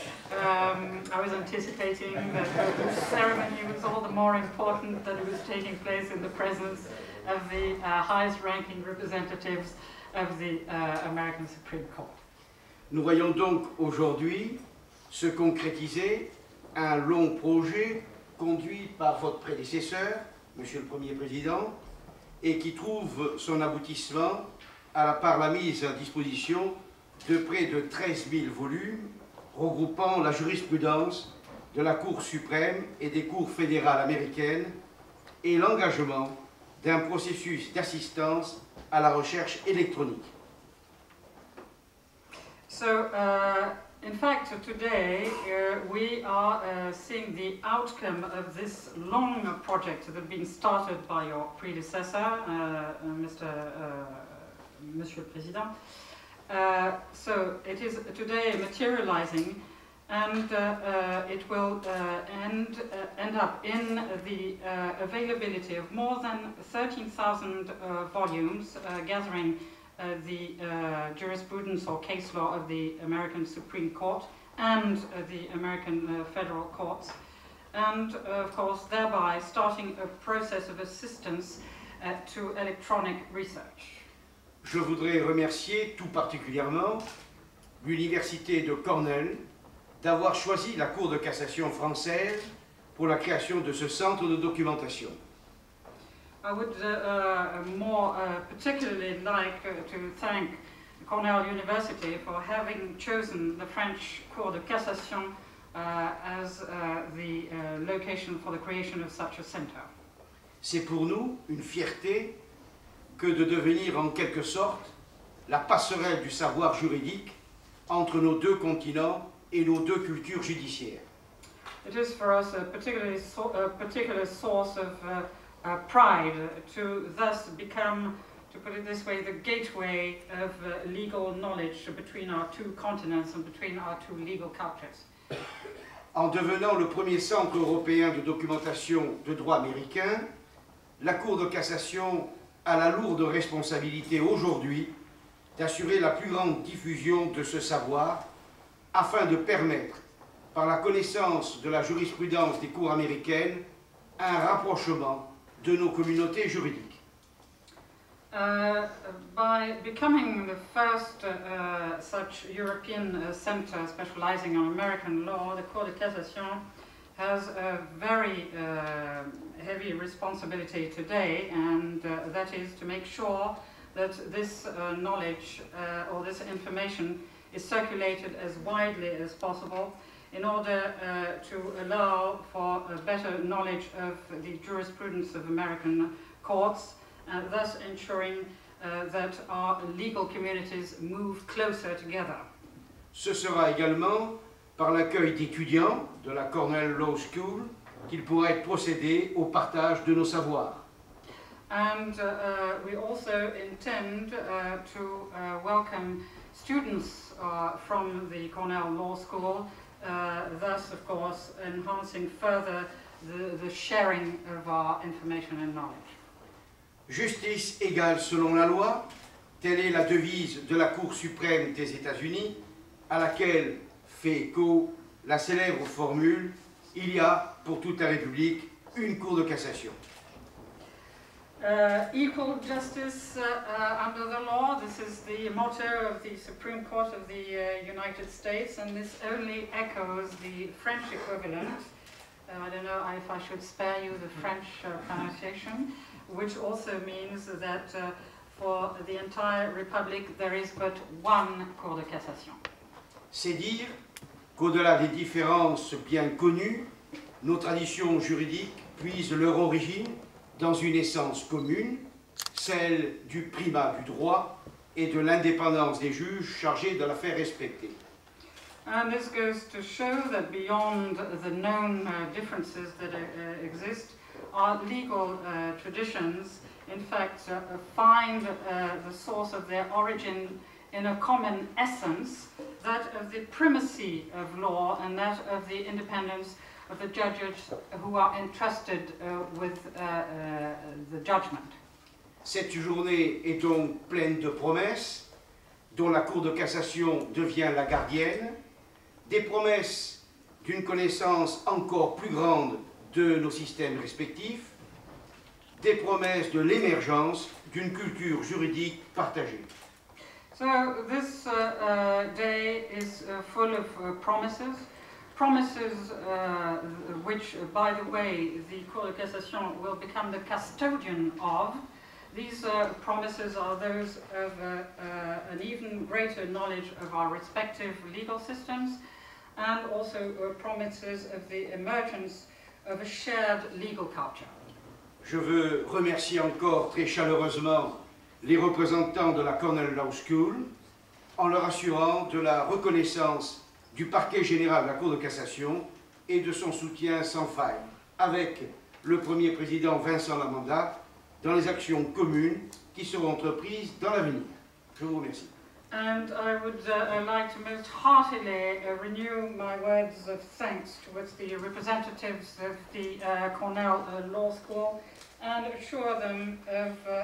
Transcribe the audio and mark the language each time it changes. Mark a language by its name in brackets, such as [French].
[English] I was anticipating that the ceremony was all the more important that it was taking place in the presence of the highest ranking representatives of the American Supreme Court. [French] Nous voyons donc aujourd'hui se concrétiser un long projet conduit par votre prédécesseur, Monsieur le Premier Président, et qui trouve son aboutissement par la mise à disposition de près de 13 000 volumes regroupant la jurisprudence de la Cour suprême et des cours fédérales américaines et l'engagement d'un processus d'assistance à la recherche électronique. [English] So, in fact, today we are seeing the outcome of this long project that had been started by your predecessor, Monsieur le Président. So it is today materializing, and it will end up in the availability of more than 13,000 volumes gathering the jurisprudence or case law of the American Supreme Court and the American federal courts, and of course thereby starting a process of assistance to electronic research. [French] Je voudrais remercier tout particulièrement l'Université de Cornell d'avoir choisi la Cour de cassation française pour la création de ce centre de documentation. [English] I would more particularly like to thank Cornell University for having chosen the French Cour de cassation as the location for the creation of such a center. [French] C'est pour nous une fierté que de devenir en quelque sorte la passerelle du savoir juridique entre nos deux continents et nos deux cultures judiciaires. [English] It is for us a particular source of pride to thus become, to put it this way, the gateway of legal knowledge between our two continents and between our two legal cultures. [French] En devenant le premier centre européen de documentation de droit américain, la Cour de cassation à la lourde responsabilité aujourd'hui d'assurer la plus grande diffusion de ce savoir afin de permettre, par la connaissance de la jurisprudence des cours américaines, un rapprochement de nos communautés juridiques. [English] By becoming the first such European center specializing on American law, the Cour de cassation has a very heavy responsibility today, and that is to make sure that this knowledge or this information is circulated as widely as possible in order to allow for a better knowledge of the jurisprudence of American courts, and thus ensuring that our legal communities move closer together. [French] Ce sera également par l'accueil d'étudiants de la Cornell Law School, qu'il pourrait être procédé au partage de nos savoirs. [English] And we also intend to welcome students from the Cornell Law School, thus, of course, enhancing further the sharing of our information and knowledge. [French] Justice égale selon la loi, telle est la devise de la Cour suprême des États-Unis, à laquelle fait écho la célèbre formule « Il y a, pour toute la République, une Cour de cassation ». [English] Equal justice under the law. This is the motto of the Supreme Court of the United States, and this only echoes the French equivalent. I don't know if I should spare you the French pronunciation, which also means that for the entire Republic, there is but one Cour de cassation. [French] C'est dire qu'au-delà des différences bien connues, nos traditions juridiques puisent leur origine dans une essence commune, celle du primat du droit et de l'indépendance des juges chargés de la faire respecter. [English] And this goes to show that beyond the known differences that exist, our legal traditions, in fact, find the source of their origin in a common essence, that of the primacy of law and that of the independence of the judges who are entrusted with the judgment. [French] Cette journée est donc pleine de promesses, dont la Cour de cassation devient la gardienne, des promesses d'une connaissance encore plus grande de nos systèmes respectifs, des promesses de l'émergence d'une culture juridique partagée. [English] So this day is full of promises. Promises which, by the way, the Cour de cassation will become the custodian of. These promises are those of an even greater knowledge of our respective legal systems, and also promises of the emergence of a shared legal culture. [French] Je veux remercier encore très chaleureusement les représentants de la Cornell Law School en leur assurant de la reconnaissance du parquet général de la Cour de cassation et de son soutien sans faille avec le premier président Vincent Lamanda dans les actions communes qui seront entreprises dans l'avenir. Je vous remercie. [English] And I would like to most heartily renew my words of thanks towards the representatives of the Cornell Law School and assure them of